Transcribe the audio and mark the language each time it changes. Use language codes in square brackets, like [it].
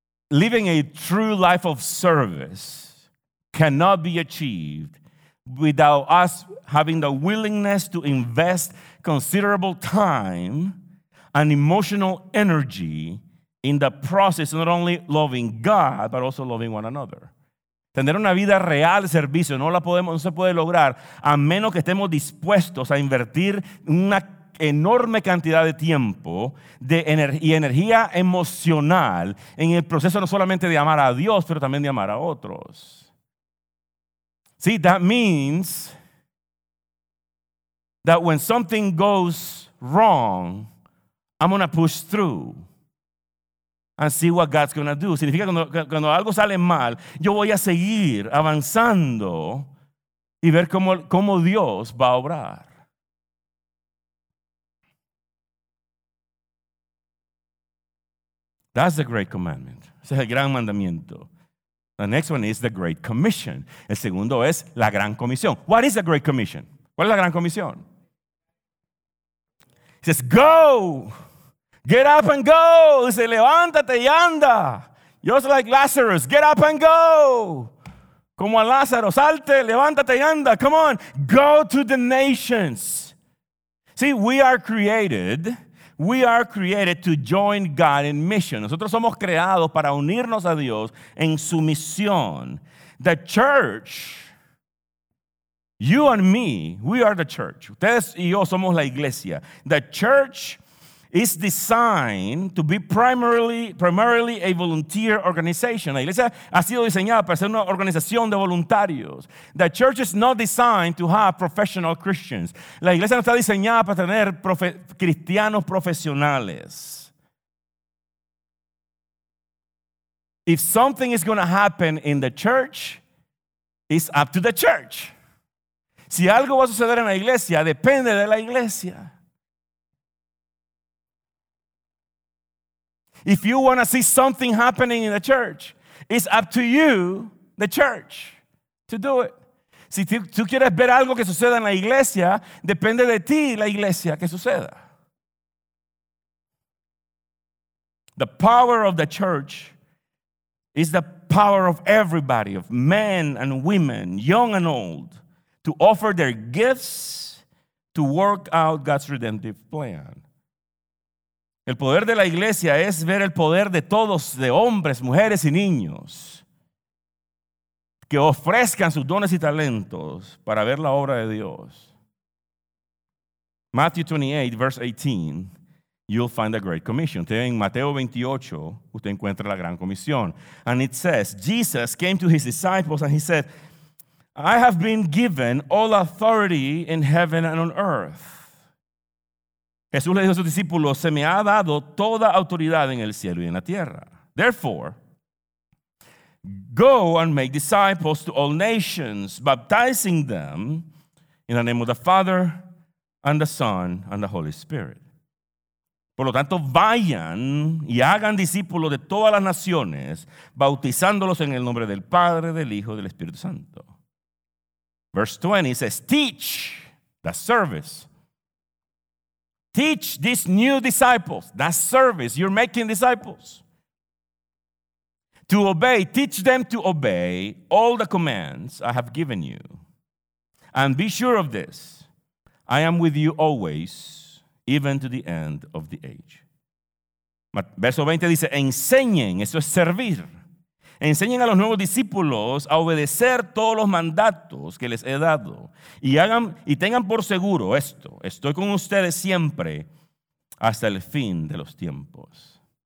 [en] Living a true life of service cannot be achieved without us having the willingness to invest considerable time and emotional energy in the process, not only loving God, but also loving one another. [es] Tener una vida real de servicio no se puede lograr a menos que estemos dispuestos a invertir una enorme cantidad de tiempo y energía emocional en el proceso no solamente de amar a Dios, pero también de amar a otros. [en] See, that means that when something goes wrong, I'm going to push through and see what God's going to do. [es] Significa cuando algo sale mal, yo voy a seguir avanzando y ver cómo Dios va a obrar. [en] That's the great commandment. [es] Ese es el gran mandamiento. [en] The next one is the great commission. [es] El segundo es la gran comisión. [en] What is the great commission? [es] ¿Cuál es la gran comisión? [en] It says, go! Get up and go! [es] Dice, levántate y anda. [en] Just like Lazarus, get up and go! [es] Como a Lázaro, salte, levántate y anda. [en] Come on, go to the nations. See, we are created to join God in mission. [es] Nosotros somos creados para unirnos a Dios en su misión. [en] The church, you and me, we are the church. [es] Ustedes y yo somos la iglesia. [en] The church is designed to be primarily a volunteer organization. [es] La iglesia ha sido diseñada para ser una organización de voluntarios. [en] The church is not designed to have professional Christians. [es] La iglesia no está diseñada para tener cristianos profesionales. [en] If something is going to happen in the church, it's up to the church. [es] Si algo va a suceder en la iglesia, depende de la iglesia. [en] If you want to see something happening in the church, it's up to you, the church, to do it. [es] Si tú quieres ver algo que suceda en la iglesia, depende de ti, la iglesia, que suceda. [en] The power of the church is the power of everybody, of men and women, young and old, to offer their gifts to work out God's redemptive plan. [es] El poder de la iglesia es ver el poder de todos, de hombres, mujeres y niños, que ofrezcan sus dones y talentos para ver la obra de Dios. [en] Matthew 28, verse 18, you'll find the great commission. [es] En Mateo 28, usted encuentra la gran comisión. [en] And it says, Jesus came to his disciples and he said, I have been given all authority in heaven and on earth. [es] Jesús le dijo a sus discípulos, se me ha dado toda autoridad en el cielo y en la tierra. [en] Therefore, go and make disciples to all nations, baptizing them in the name of the Father and the Son and the Holy Spirit. [es] Por lo tanto, vayan y hagan discípulos de todas las naciones, bautizándolos en el nombre del Padre, del Hijo y del Espíritu Santo. [en] Verse 20 says, teach the service. Teach these new disciples, that service, you're making disciples, to obey, teach them to obey all the commands I have given you. And be sure of this, I am with you always, even to the end of the age. [es] Verso 20 dice, enseñen, eso es servir. Enseñen a los nuevos discípulos a obedecer todos los mandatos que les he dado. Y hagan y tengan por seguro esto, estoy con ustedes siempre hasta el fin de los tiempos.